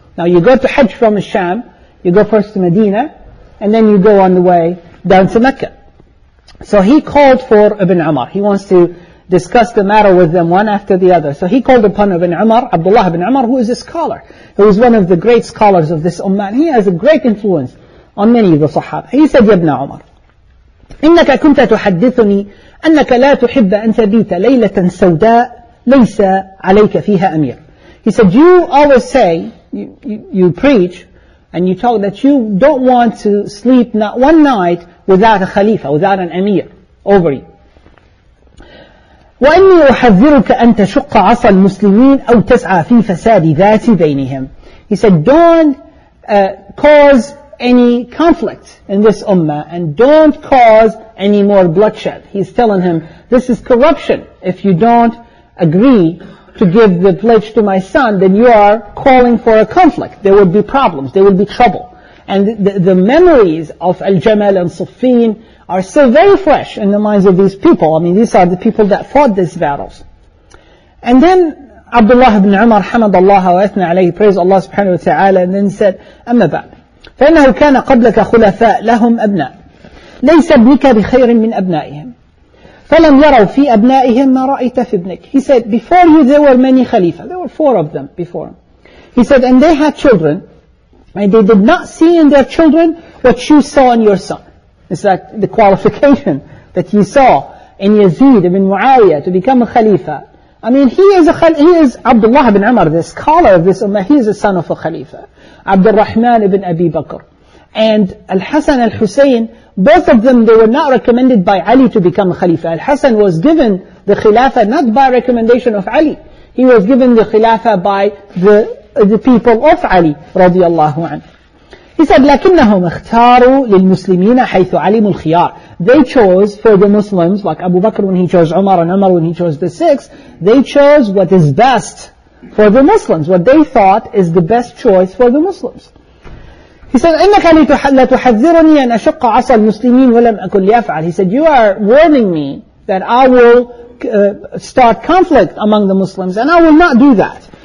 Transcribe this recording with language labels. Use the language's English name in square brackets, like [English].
[English] Now you go to Hajj from Sham, you go first to Medina, and then you go on the way down to Mecca. So he called for Ibn Umar. He wants to discuss the matter with them one after the other. So he called upon Ibn Umar, Abdullah ibn Umar, who is a scholar, who is one of the great scholars of this Ummah. He has a great influence on many of the Sahaba. He said, Ya Ibn Umar, [Arabic] إنك كنت تحدثني أنك لا تحب أن تبيت ليلة سوداء ليس عليك فيها أمير. [English] He said, you always say, you preach, and you talk that you don't want to sleep not one night without a Khalifa, without an Amir over you. [Arabic] وإني أحذرك أن تشق عصا المسلمين أو تسعى في فساد ذات بينهم. [English] He said, don't cause any conflict in this ummah, and don't cause any more bloodshed. He's telling him, this is corruption. If you don't agree to give the pledge to my son, then you are calling for a conflict. There will be problems, there will be trouble. And the memories of Al-Jamal and Safin are so very fresh in the minds of these people. I mean, these are the people that fought these battles. And then Abdullah ibn Umar, [Arabic] hamadallah wa athna alayhi, [English] praise Allah subhanahu wa ta'ala, and then said, amma ba'd. [Arabic] فإنه كان قبلك خلفاء لهم أبناء ليس ابنك بخير من أبنائهم فلم يروا في أبنائهم ما رأيت في ابنك. [English] He said, before you there were many Khalifa. There were four of them before him. He said, and they had children, and they did not see in their children what you saw in your son. It's like the qualification that you saw in Yazid ibn Muawiyah to become a Khalifa. I mean, he is Abdullah ibn Umar, the scholar of this Ummah. He is the son of a Khalifa. Abdurrahman ibn Abi Bakr. And Al-Hasan al-Husayn Both of them, they were not recommended by Ali to become Khalifa. Al-Hasan was given the Khilafah not by recommendation of Ali. He was given the Khilafah by the people of Ali, radiallahu anhu. He said, [Arabic] لَكِنَّهُمْ اخْتَارُوا لِلْمُسْلِمِينَ حَيْثُ عَلِمُ الْخِيَارِ. [English] They chose for the Muslims, like Abu Bakr when he chose Umar, and Umar when he chose the six, they chose what is best for the Muslims, what they thought is the best choice for the Muslims. He said, [Arabic] إِنَّكَ لَتُحَذِّرُنِي أَنْ أَشُقَّ عَصَى الْمُسْلِمِينَ وَلَمْ أَكُنْ لِيَفْعَلْ. [English] He said, you are warning me that I will start conflict among the Muslims, and I will not do that.